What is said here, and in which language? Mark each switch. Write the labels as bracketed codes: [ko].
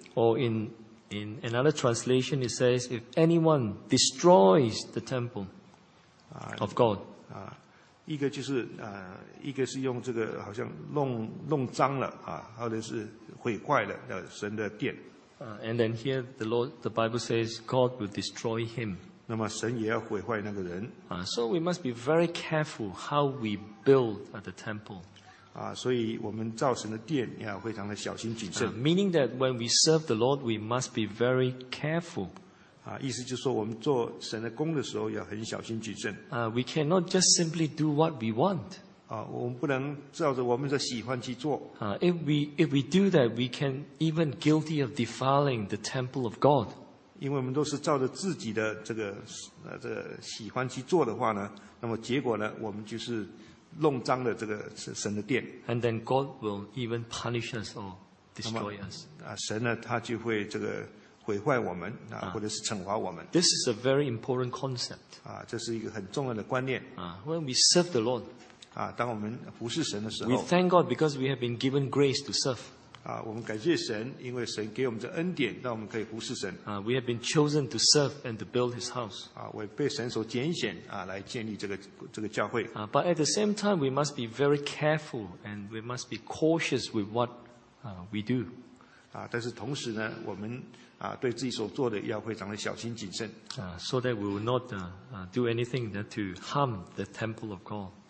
[en] Or in another translation it says, if anyone destroys the temple,of God. [zh] 一个就是一个是用这个好像弄脏了或者是毁坏了神的殿。 [en] And then here the Bible says God will destroy him. [zh] 那么神也要毁坏那个人。 [en] So we must be very careful how we build the temple. [zh] 所以我们造神的殿要非常的小心谨慎。 [en] Meaning that when we serve the Lord, we must be very careful. [zh] 意思就是说我们做神的工的时候要很小心谨慎。 [en] We cannot just simply do what we want. [zh] 我们不能照着我们的喜欢去做。 [en] If we do that, we can even guilty of defiling the temple of God. [zh] 因为我们都是照着自己的这个喜欢去做的话呢，那么结果呢，我们就是弄脏了这个神的殿。 [en] And then God will even punish us or destroy us. [zh] 神呢，他就会这个毁坏我们或者是惩罚我们。 [en] This is a very important concept. [zh] 这是一个很重要的观念。 [en] When we serve the Lord, [zh] 当我们服侍神的时候 [en] ，we thank God because we have been given grace to serve. [zh] 我们感谢神，因为神给我们这恩典，让我们可以服侍神。 [en] We have been chosen to serve and to build His house. [zh] 我也被神所拣选来建立这个教会。 [en] But at the same time, we must be very careful and we must be cautious with what we do. [zh] 但是同时呢，我们对自己所做的要非常的小心谨慎。 [en] So that we will not do anything that to harm the temple of God.